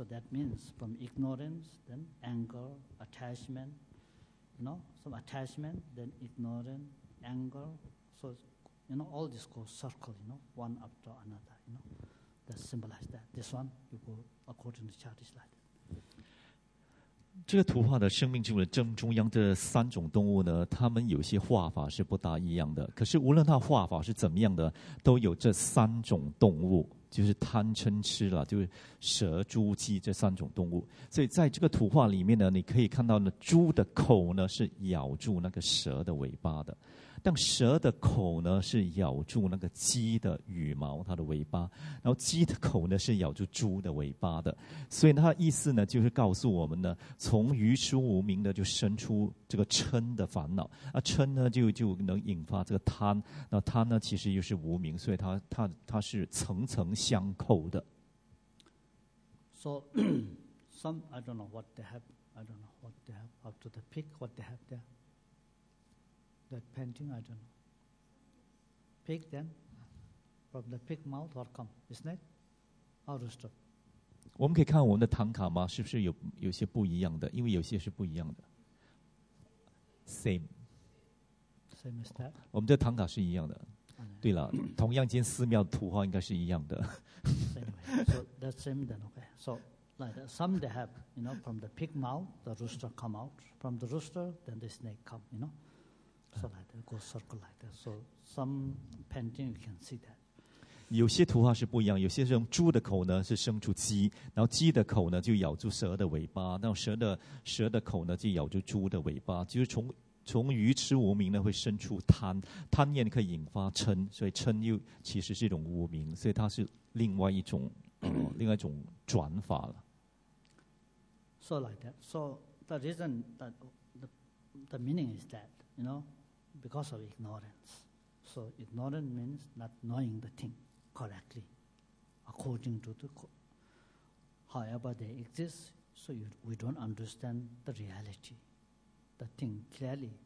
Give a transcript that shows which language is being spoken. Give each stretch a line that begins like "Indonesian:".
English: So that means from ignorance, then anger, attachment, you know, some attachment, then ignorance, anger. So, you know, all this goes circle, you know, one after another, you know, that symbolize that. This one, you go according to the chart, it's like that.
Chinese: 这个图画的生命之轮正中央这三种动物呢，它们有些画法是不大一样的，可是无论它画法是怎么样的，都有这三种动物，就是贪嗔痴了，就是蛇猪鸡这三种动物。所以在这个图画里面呢，你可以看到呢，猪的口呢是咬住那个蛇的尾巴的，但蛇的口呢是咬住那个鸡的羽毛，它的尾巴，然后鸡的口呢是咬住猪的尾巴的。所以它的意思呢就是告诉我们呢，从愚痴无明的就生出这个嗔的烦恼，那嗔呢就能引发这个贪，那贪呢其实又是无明，所以它是层层相扣的。
English: So some I don't know what they have, I don't know what they have up to the pig, what they have thereThat painting, I don't know. Pig then? From the pig mouth, what come? Isn't it? Or rooster?
Chinese: 我们可以看我们的唐卡吗？是不是有些不一样的？因为有些是不一样的。
English: Same. Same as that?
Chinese: 我们的唐卡是一样的。对了，同样间寺庙图画应该是一样的。
English: So that's same then, okay. So, like that, some they have, you know, from the pig mouth, the rooster come out. From the rooster, then the snake come, you know. So like that, go circle like that. So some painting you can see that.
Chinese: 有些图画是不一样，有些是用猪的口呢是生出鸡，然后鸡的口呢就咬住蛇的尾巴，然后蛇的口呢就咬住猪的尾巴，就是从愚痴无明呢会生出贪，贪念可以引发嗔，所以嗔又其实是一种无明，所以它是另外一种另外一种转法了。
English: So like that. So the reason that the meaning is that. You know, because of ignorance. So ignorance means not knowing the thing correctly, according to the however they exist, so we don't understand the reality, the thing clearly.